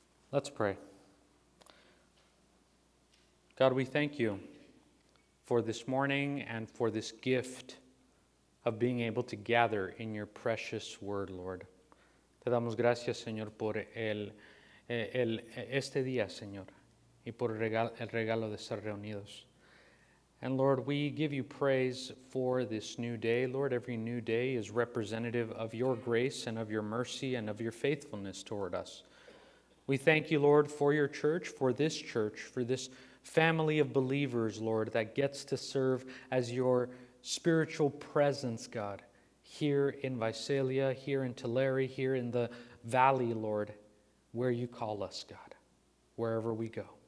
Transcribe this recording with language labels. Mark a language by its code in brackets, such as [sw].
[en] Let's pray. God, we thank you for this morning and for this gift of being able to gather in your precious word, Lord. [es] Te damos gracias, Señor, por este día, Señor, y por el regalo de ser reunidos. [en] And Lord, we give you praise for this new day. Lord, every new day is representative of your grace and of your mercy and of your faithfulness toward us. We thank you, Lord, for your church, for this family of believers, Lord, that gets to serve as your spiritual presence, God, here in Visalia, here in Tulare, here in the valley, Lord, where you call us, God, wherever we go.